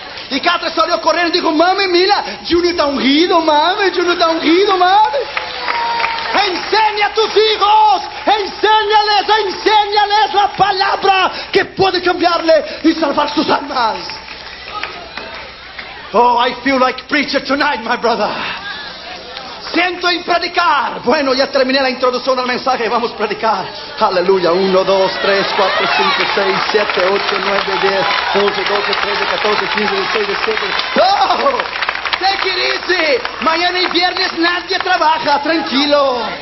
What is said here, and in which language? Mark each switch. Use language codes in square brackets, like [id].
[es] Y Catherine salió corriendo y dijo, mami, mira, Junior está ungido, mami, Junior está ungido, mami. Enseña a tus hijos, enséñales la palabra que puede cambiarle y salvar sus almas. [en] Oh, I feel like preacher tonight, my brother. [es] Siento en predicar. Bueno, ya terminé la introducción al mensaje, vamos a predicar. Aleluya, 1, 2, 3, 4, 5, 6, 7, 8, 9, 10, 11, 12, 13, 14, 15, 16, 17. ¡Oh! [en] ¡Take it easy! [es] Mañana y viernes nadie trabaja, tranquilo.